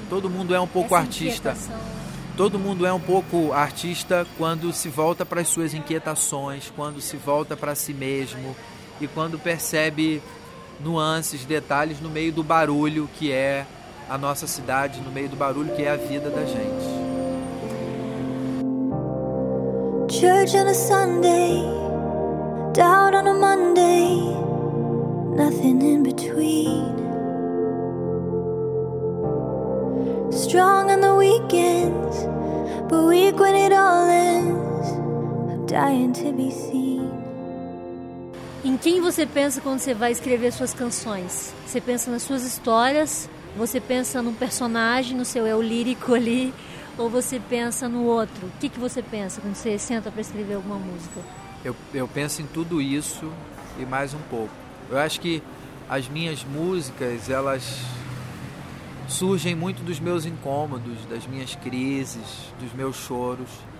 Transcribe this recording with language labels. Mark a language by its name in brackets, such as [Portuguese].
[Portuguese] Todo mundo é um pouco artista. Todo mundo é um pouco artista quando se volta para as suas inquietações, quando se volta para si mesmo e quando percebe nuances, detalhes no meio do barulho que é a nossa cidade, no meio do barulho que é a vida da gente. [English] Church on a Sunday, down on a Monday, nothing in between. Strong on the weekends, but weak when it all ends. I'm dying to be seen. [Portuguese] Em quem você pensa quando você vai escrever suas canções? Você pensa nas suas histórias? Você pensa num personagem, no seu eu lírico ali? Ou você pensa no outro? O que, que você pensa quando você senta para escrever alguma música? Eu penso em tudo isso e mais um pouco. Eu acho que as minhas músicas, elas surgem muito dos meus incômodos, das minhas crises, dos meus choros.